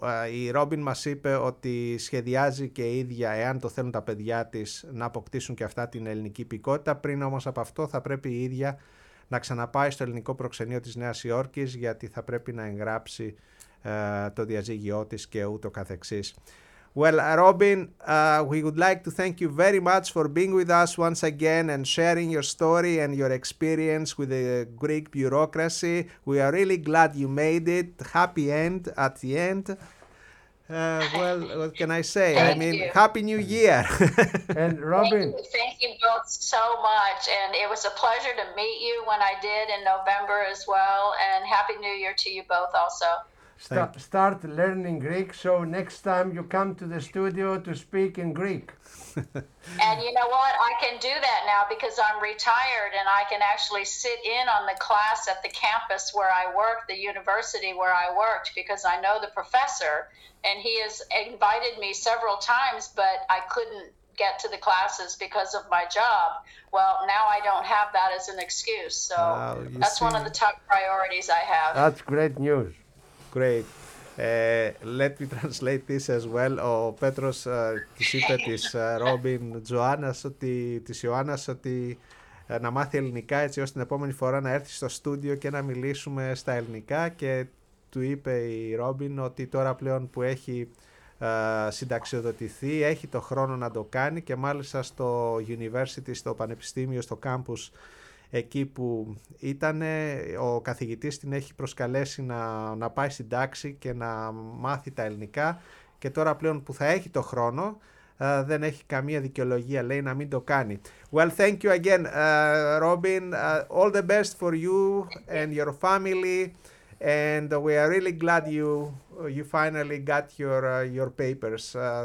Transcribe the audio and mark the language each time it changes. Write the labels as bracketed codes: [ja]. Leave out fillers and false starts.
[el] Η Ρόμπιν μας είπε ότι σχεδιάζει και η ίδια, εάν το θέλουν τα παιδιά της, να αποκτήσουν και αυτά την ελληνική υπηκότητα. Πριν όμως από αυτό, θα πρέπει η ίδια να ξαναπάει στο ελληνικό προξενείο της Νέας Υόρκης, γιατί θα πρέπει να εγγράψει το διαζύγιο της και ούτω καθεξής. [en] Well, Robin, we would like to thank you very much for being with us once again and sharing your story and your experience with the Greek bureaucracy. We are really glad you made it. Happy end at the end. Well, what can I say? Thank I mean, you. Happy New Year. And Robin, thank you both so much. And it was a pleasure to meet you when I did in November as well. And Happy New Year to you both also. start learning Greek, so next time you come to the studio to speak in Greek. And you know what? I can do that now because I'm retired, and I can actually sit in on the class at the campus where I work, the university where I worked, because I know the professor, and he has invited me several times, but I couldn't get to the classes because of my job. Well, now I don't have that as an excuse, so one of the top priorities I have. That's great news. Great. Let me translate this as well. [el] Ο Πέτρος της είπε της Ρόμπιν της Ιωάννας ότι να μάθει ελληνικά έτσι ώστε την επόμενη φορά να έρθει στο στούντιο και να μιλήσουμε στα ελληνικά, και του είπε η Ρόμπιν ότι τώρα πλέον που έχει συνταξιοδοτηθεί έχει το χρόνο να το κάνει, και μάλιστα στο university, στο πανεπιστήμιο, στο campus εκεί που ήταν, ο καθηγητής την έχει προσκαλέσει να πάει στην τάξη και να μάθει τα ελληνικά, και τώρα πλέον που θα έχει το χρόνο δεν έχει καμία δικαιολογία, λέει, να μην το κάνει. [en] Well, thank you again, Robin. All the best for you and your family, and we are really glad you finally got your papers.